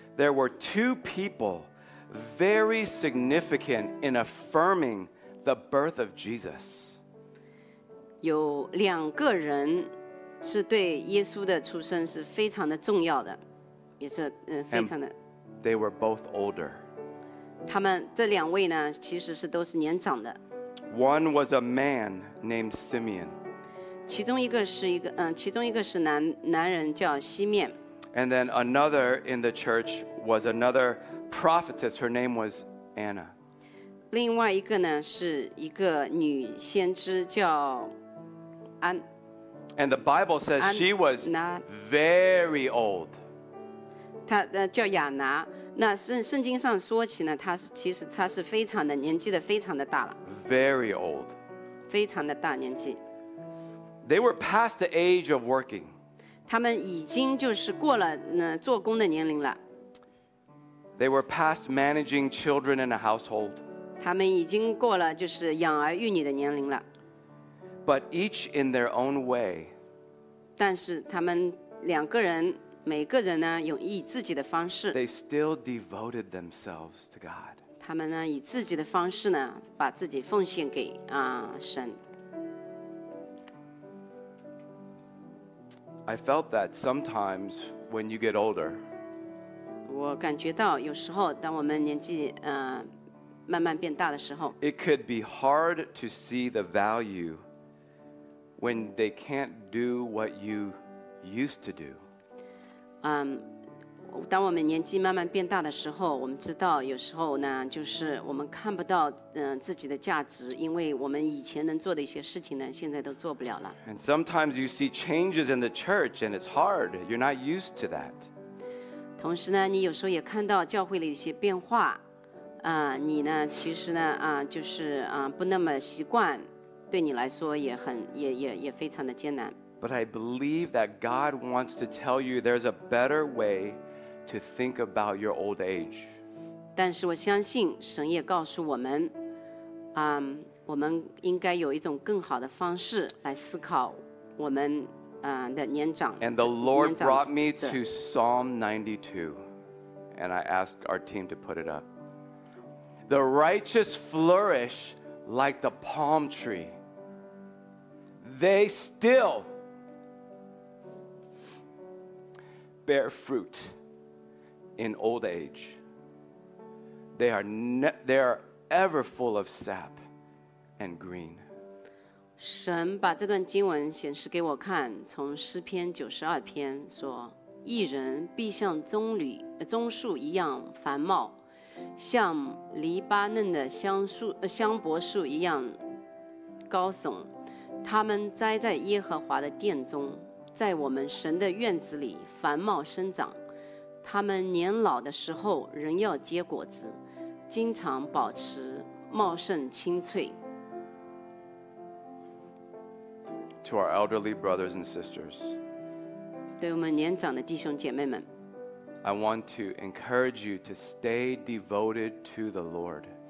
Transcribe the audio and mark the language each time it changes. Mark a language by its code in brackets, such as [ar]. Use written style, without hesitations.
[en] there were two people very significant in affirming the birth of Jesus. [zh] 有两个人是对耶稣的出生是非常的重要的，也是非常的。 [en] They were both older. [zh] 他们这两位呢，其实是都是年长的。 [en] One was a man named Simeon. [zh] 其中一个是一个其中一个是男人叫西面。 [en] And then another in the church was another prophetess. Her name was Anna. [zh] 另外一个呢是一个女先知叫安。 [en] And the Bible says she was very old. [zh] 她叫亚拿。那圣经上说起呢，她其实她是非常的年纪的非常的大了。 [en] Very old. [zh] 非常的大年纪。 [en] They were past the age of working. [zh] 他们已经就是过了做工的年龄了。 [en] They were past managing children in a household. [zh] 他们已经过了就是养儿育女的年龄了。 [en] But each in their own way. [zh] 但是他们两个人每个人呢用以自己的方式。 [en] They still devoted themselves to God. [zh] 他们呢以自己的方式呢把自己奉献给神。 [en] I felt that sometimes when you get older. [zh] 我感觉到有时候当我们年纪慢慢变大的时候。 [en] It could be hard to see the value when they can't do what you used to do. [zh] 当我们年纪慢慢变大的时候，我们知道有时候呢，就是我们看不到自己的价值，因为我们以前能做的一些事情呢，现在都做不了了。 [en] And sometimes you see changes in the church, and it's hard. You're not used to that. [zh] 同时呢，你有时候也看到教会的一些变化，你呢，其实呢，就是不那么习惯。对你来说也非常的艰难。 [en] But I believe that God wants to tell you there's a better way to think about your old age. [zh] 但是我相信神也告诉我们，我们应该有一种更好的方式来思考我们的年长。 [en] And the Lord brought me to Psalm 92, and I asked our team to put it up. The righteous flourish like the palm tree. They still bear fruit in old age. They are ever full of sap and green. [zh] 神把这段经文显示给我看，从诗篇九十二篇说：“义人必像棕树一样繁茂，像黎巴嫩的香柏树一样高耸。” 他们栽在耶和华的殿中，在我们神的院子里繁茂生长。他们年老的时候仍要结果子，经常保持茂盛青翠。 [en] To our elderly brothers and sisters, [zh] 对我们年长的弟兄姐妹们 [en] I want to encourage you to stay devoted to the Lord.